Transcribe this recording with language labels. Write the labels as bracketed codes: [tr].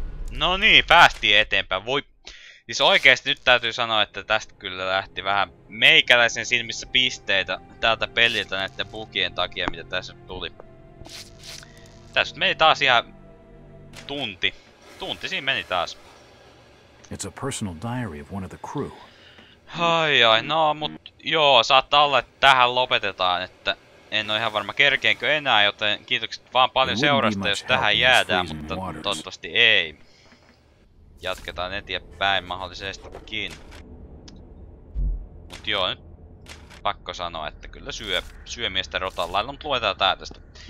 [fi] No niin, päästiin eteenpäin. Voi. Siis oikeesti nyt täytyy sanoa, että tästä kyllä lähti vähän meikäläisen silmissä pisteitä tältä peliltä näiden bugien takia, mitä tässä tuli. Tässä meni taas ihan tunti. Tunti siinä meni taas. [en] It's a personal diary of one of the crew. [fi] Ai, no mut joo, saattaa olla, että tähän lopetetaan, että en ole ihan varma kerkeenkö enää, joten kiitokset vaan paljon seurasta, jos tähän jäädään, mutta toivottavasti ei. Jatketaan eteenpäin mahdollisestikin. Mut joo, nyt pakko sanoa, että kyllä syö miestä rotan lailla, mut luetaan tää tästä.